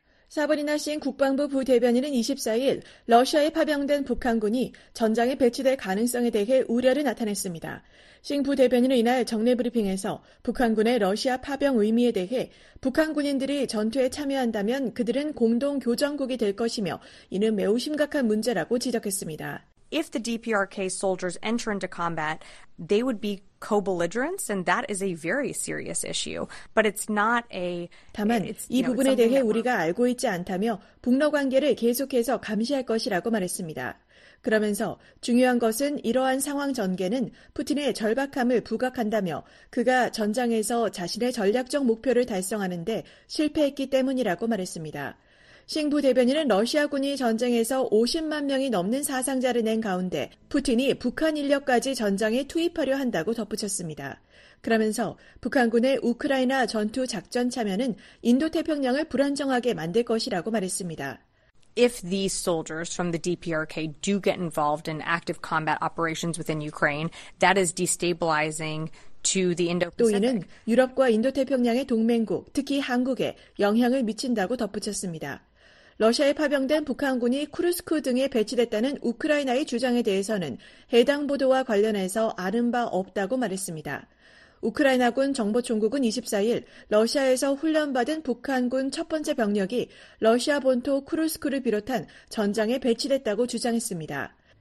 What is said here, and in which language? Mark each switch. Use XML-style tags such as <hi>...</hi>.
<ko>사버리나 싱 국방부 부대변인은 24일 러시아에 파병된 북한군이 전장에 배치될 가능성에 대해 우려를 나타냈습니다. 싱 부대변인은 이날 정례 브리핑에서 북한군의 러시아 파병 의미에 대해 북한 군인들이 전투에 참여한다면 그들은 공동 교전국이 될 것이며 이는 매우 심각한 문제라고 지적했습니다.</ko> <en>If the DPRK soldiers enter into combat, they would be co-belligerents, and that is a very serious issue. But it's not a.</en> <ko>다만 이 부분에 대해 우리가 알고 있지 않다며 북러 관계를 계속해서 감시할 것이라고 말했습니다. 그러면서 중요한 것은 이러한 상황 전개는 푸틴의 절박함을 부각한다며 그가 전장에서 자신의 전략적 목표를 달성하는데 실패했기 때문이라고 말했습니다. 싱 부대변인은 러시아군이 전쟁에서 50만 명이 넘는 사상자를 낸 가운데 푸틴이 북한 인력까지 전장에 투입하려 한다고 덧붙였습니다. 그러면서 북한군의 우크라이나 전투 작전 참여는 인도태평양을 불안정하게 만들 것이라고 말했습니다.</ko> <en>If these soldiers from the DPRK do get involved in active combat operations within Ukraine, that is destabilizing to the Indo-Pacific.</en> <ko>또 이는 유럽과 인도태평양의 동맹국, 특히 한국에 영향을 미친다고 덧붙였습니다. 러시아에 파병된 북한군이 쿠르스크 등에 배치됐다는 우크라이나의 주장에 대해서는 해당 보도와 관련해서 아는 바 없다고 말했습니다. 우크라이나군 정보총국은 24일 러시아에서 훈련받은 북한군 첫 번째 병력이 러시아 본토 쿠르스크를 비롯한 전장에 배치됐다고 주장했습니다.</ko>